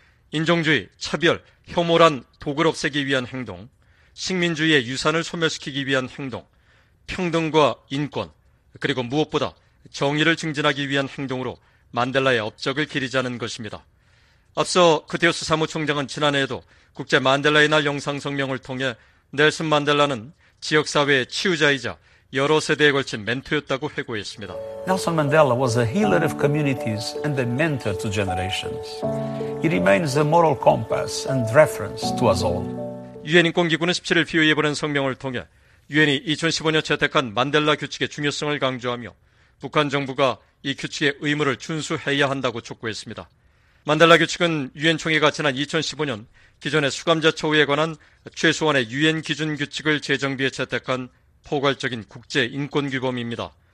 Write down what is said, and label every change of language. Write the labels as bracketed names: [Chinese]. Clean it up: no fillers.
[Korean] 인종주의, 차별, 혐오란 독을 없애기 위한 행동, 식민주의의 유산을 소멸시키기 위한 행동, 평등과 인권, 그리고 무엇보다 정의를 증진하기 위한 행동으로 만델라의 업적을 기리자는 것입니다. 앞서 구테우스 사무총장은 지난해에도 국제 만델라의 날 영상 성명을 통해 넬슨 만델라는 지역사회의 치유자이자 여러 세대에 걸친 멘토였다고 회고했습니다. [English] Nelson Mandela was a healer of communities and a mentor to generations. He remains a moral compass and reference to us all. [Korean] 유엔 인권기구는 17일 비유에 보낸 성명을 통해 유엔이 2015년 채택한 만델라 규칙의 중요성을 강조하며 북한 정부가 이 규칙의 의무를 준수해야 한다고 촉구했습니다. 만델라 규칙은 유엔 총회가 지난 2015년 기존의 수감자 처우에 관한 최소한의 유엔 기준 규칙을 재정비해 채택한 포괄적인 국제 인권 규범입니다.